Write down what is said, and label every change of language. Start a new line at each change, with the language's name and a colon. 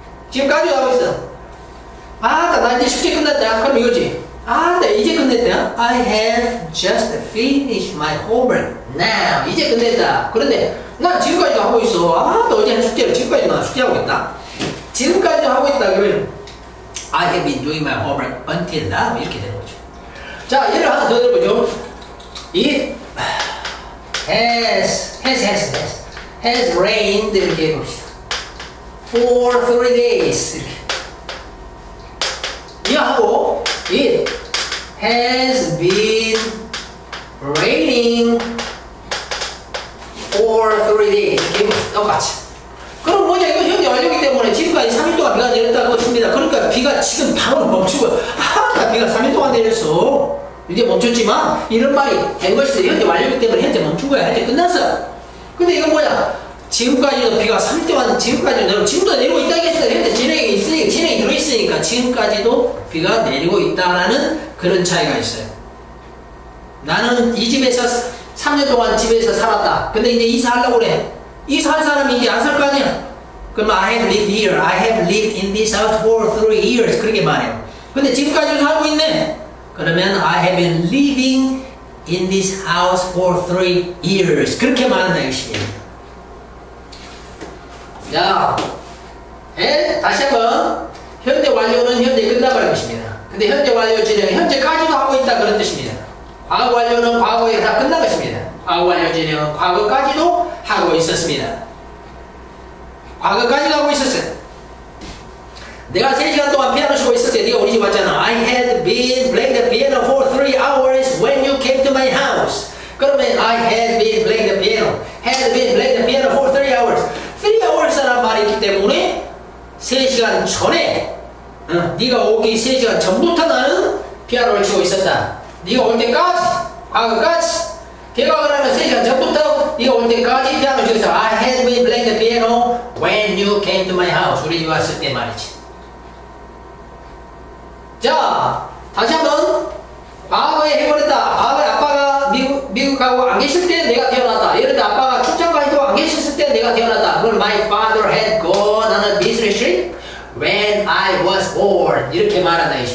Korean: 지금까지도 하고 있어. 아, 나 이제 숙제 끝났다. 그럼 이거지. 아, 이제 끝냈다.
English: I have just finished my homework now.
Korean: 이제 끝냈다. 그런데 나 지금까지도 하고 있어. 아, 어제 숙제를 지금까지 나 숙제하고 있다. 지금까지도 하고 있다. 그러면
English: I have been doing my homework until now.
Korean: 이렇게 되는 거죠. 자, 얘를 하나 더 들어보죠.
English: It has rained.
Korean: 이렇게 해봅시다.
English: For 3 days.
Korean: 이렇게. 하고
English: it has been raining for 3 days.
Korean: 똑같이. 그럼 뭐냐? 이거 현재 완료기 때문에 지금까지 3일 동안 비가 내렸다고 칩니다. 그러니까 비가 지금 바로 멈추고 하다 비가 3일 동안 내렸어. 이제 멈췄지만 이런 말이 된 것이죠. 현재 완료기 때문에 현재 멈춘 거야. 현재 끝났어. 근데 이건 뭐야? 지금까지도 비가 3일 동안 지금까지도 내려 지금도 내리고 있다 했어요. 현재 진행이 있으니까 진행이 들어 있으니까 지금까지도 비가 내리고 있다라는 그런 차이가 있어요. 나는 이 집에서 3년 동안 집에서 살았다. 근데 이제 이사하려고 그래. 이사할 사람이 이제 안 살 거 아니야. 그러면
English: I have lived in this house for three years.
Korean: 그렇게 말해요. 근데 지금까지도 살고 있네. 그러면
English: I have been living in this house for 3 years.
Korean: 그렇게 말한다 역시. 자, 다시 한번 현재 완료는 현재 끝나고 근데 현재 완료 진행은 현재까지도 하고 있다 그런 뜻입니다. 과거 완료는 과거에 다 끝난 것입니다. 과거 완료 진행은 과거까지도 하고 있었습니다. 과거까지도 하고 있었어요. 내가 3시간 동안 피아노 치고 있었어요. 네가 우리 집 왔잖아.
English: I had been playing the piano for 3 hours when you came to my house.
Korean: 그러면
English: I had been playing the piano. Had been playing the piano for 3 hours.
Korean: 3 hours라는 말이 있기 때문에 3시간 전에 네가 오기 3시간 전부터 나는 피아노를 치고 있었다. 네가 올 때까지, 과거까지 개강을 하면 3시간 전부터 네가 올 때까지 피아노를 치고 있었다.
English: I had been playing the piano when you came to my house.
Korean: 우리 집 왔을 때 말이지. 자, 다시 한번 과거에 해버렸다. 과거에 아빠가 미국하고 안 계실 때 내가 태어났다. 이럴 때 아빠가 출장가에도 안 계셨을 때 내가 태어났다. 그걸
English: my father had gone on a business trip when I was born
Korean: 이렇게 말한다.